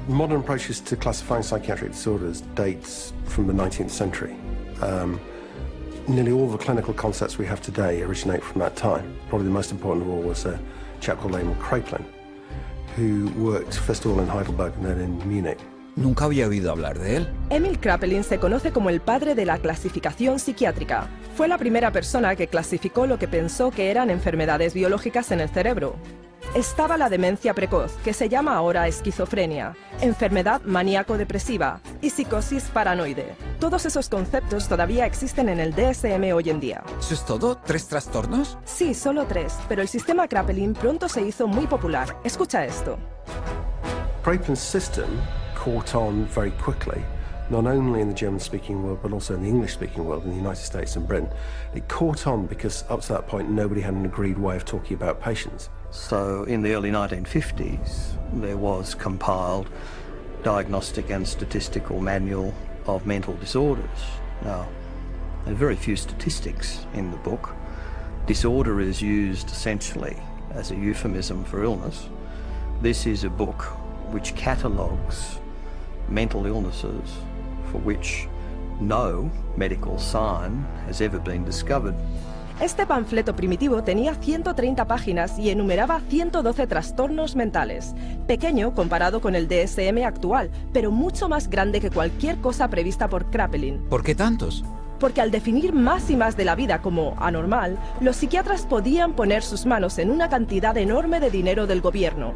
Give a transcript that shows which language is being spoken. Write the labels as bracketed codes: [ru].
[en] Modern approaches to classifying psychiatric disorders dates from the 19th century. Nearly all the clinical concepts we have today originate from that time. Probably the most important of all was a chap called Emil Kraepelin, who worked first of all in Heidelberg and then in Munich. [es] Nunca había oído hablar de él. Emil Kraepelin se conoce como el padre de la clasificación psiquiátrica. Fue la primera persona que clasificó lo que pensó que eran enfermedades biológicas en el cerebro. Estaba la demencia precoz, que se llama ahora esquizofrenia, enfermedad maníaco-depresiva y psicosis paranoide. Todos esos conceptos todavía existen en el DSM hoy en día. ¿Eso es todo? ¿Tres trastornos? Sí, solo tres, pero el sistema Kraepelin pronto se hizo muy popular. Escucha esto. [en] Kraepelin's system caught on very quickly, not only in the German-speaking world, but also in the English-speaking world, in the United States and Britain. It caught on because up to that point, nobody had an agreed way of talking about patients. So in the early 1950s, there was compiled Diagnostic and Statistical Manual of Mental Disorders. Now, there are very few statistics in the book. Disorder is used essentially as a euphemism for illness. This is a book which catalogues mental illnesses for which no medical sign has ever been discovered. [es] Este panfleto primitivo tenía 130 páginas y enumeraba 112 trastornos mentales. Pequeño comparado con el DSM actual, pero mucho más grande que cualquier cosa prevista por Kraepelin. ¿Por qué tantos? Porque al definir más y más de la vida como anormal, los psiquiatras podían poner sus manos en una cantidad enorme de dinero del gobierno.